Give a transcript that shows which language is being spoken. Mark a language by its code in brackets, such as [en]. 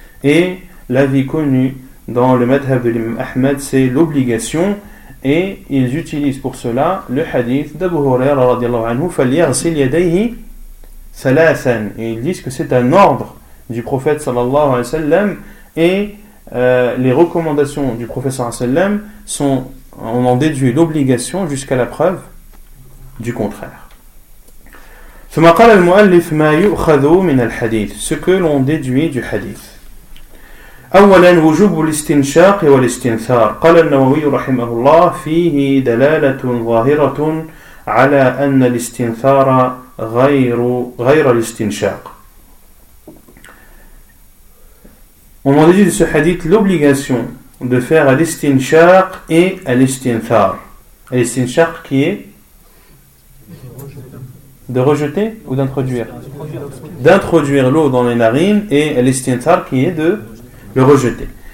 [fr] Et l'avis connu dans le madhhab de l'imam Ahmed, c'est l'obligation, et ils utilisent pour cela le hadith d'Abu Huraira radiallahu anhu, [ar] fal yaghsil yadayhi salasan. [fr] Et ils disent que c'est un ordre du prophète sallallahu alayhi wa sallam. Et les recommandations du prophète sallallahu alayhi wa sallam sont, on en déduit l'obligation jusqu'à la preuve du contraire. [ar] ثم قال المؤلف ما يؤخذ من الحديث. [fr] Ce que l'on déduit du hadith. [ar] أولا وجوب الاستنشاق والاستنثار. قال النووي رحمه الله فيه دلالة ظاهرة على أن الاستنثار غير الاستنشاق. [fr] On en déduit de ce hadith l'obligation de faire l'istinshaq et l'istinthar. L'istinshaq qui est de rejeter ou d'introduire? D'introduire l'eau dans les narines, et l'istinthar qui est de le rejeter.